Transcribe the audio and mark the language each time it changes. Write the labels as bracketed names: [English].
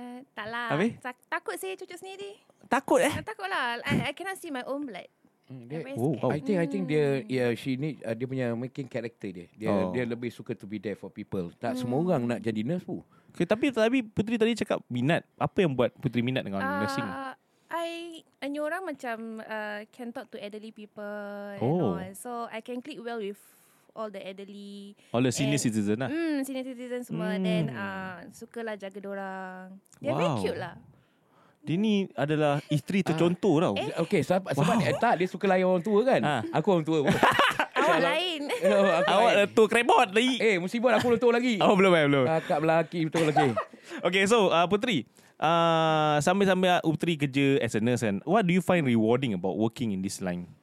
[Malay] Taklah. Habis? Takut saya cocok sendiri. Takut eh? Takutlah. [English] I cannot see my own blood. I think dia, yeah, she need, [Malay] dia punya [English] making character dia. [Malay] Dia lebih suka [English] to be there for people. [Malay] Tak semua orang nak jadi nurse pun. Okay, tapi Putri tadi cakap minat. Apa yang buat Putri minat dengan nursing? [English] I [Malay] orang macam [English] can talk to elderly people. And all. So, I can click well with all the elderly. All the senior citizens lah. Senior citizens semua. Then [Malay] sukalah jaga dorang. [English] They're very cute lah. [Malay] Dia ni adalah isteri tercontoh tau. Okay, sebab dia suka layan orang tua kan? Aku orang tua. Awak lain. Awak tua krebot lagi. Mesti buat aku orang tua lagi. Oh, belum. Kakak lelaki betul lagi. [English] Okay, so Putri. [Malay] Sambil-sambil Putri kerja [English] as a nurse, and what do you find rewarding about working in this line?